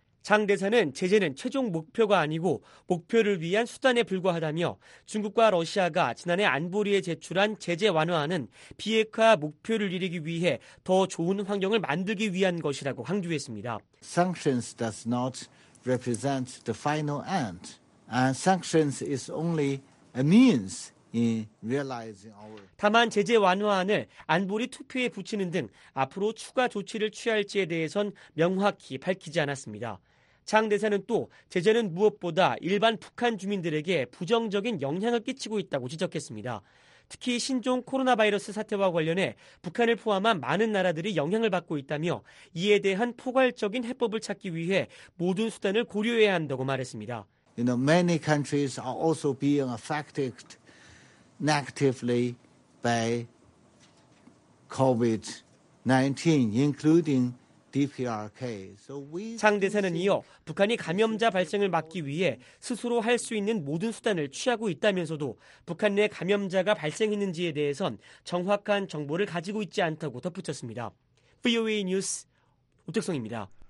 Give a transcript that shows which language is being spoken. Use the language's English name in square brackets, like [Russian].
[Korean] 장 대사는 제재는 최종 목표가 아니고 목표를 위한 수단에 불과하다며 중국과 러시아가 지난해 안보리에 제출한 제재 완화안은 비핵화 목표를 이루기 위해 더 좋은 환경을 만들기 위한 것이라고 강조했습니다. [English] Sanctions does not represent the final end. And sanctions is only a means in realizing our. [Korean] 다만 제재 완화안을 안보리 투표에 붙이는 등 앞으로 추가 조치를 취할지에 대해선 명확히 밝히지 않았습니다. 장 대사는 또 제재는 무엇보다 일반 북한 주민들에게 부정적인 영향을 끼치고 있다고 지적했습니다. 특히 신종 코로나 바이러스 사태와 관련해 북한을 포함한 많은 나라들이 영향을 받고 있다며 이에 대한 포괄적인 해법을 찾기 위해 모든 수단을 고려해야 한다고 말했습니다. [English] You know, many countries are also being affected negatively by COVID-19, including DPRK. [Korean] 장 대사는 이어 북한이 감염자 발생을 막기 위해 스스로 할 수 있는 모든 수단을 취하고 있다면서도 북한 내 감염자가 발생했는지에 대해선 정확한 정보를 가지고 있지 않다고 덧붙였습니다. VOA 뉴스 오택성입니다.